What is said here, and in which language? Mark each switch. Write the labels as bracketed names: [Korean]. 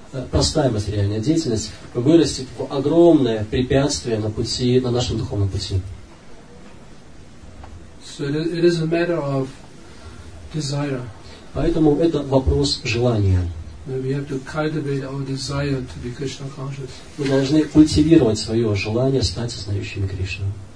[Russian] Простая материальная деятельность вырастет в огромное препятствие на пути, на нашем духовном пути. [English] So it is a matter of desire. [Russian] Поэтому это вопрос желания. [English] We have to cultivate our desire to be Krishna conscious. [Russian] Мы должны культивировать свое желание стать сознающими Кришну.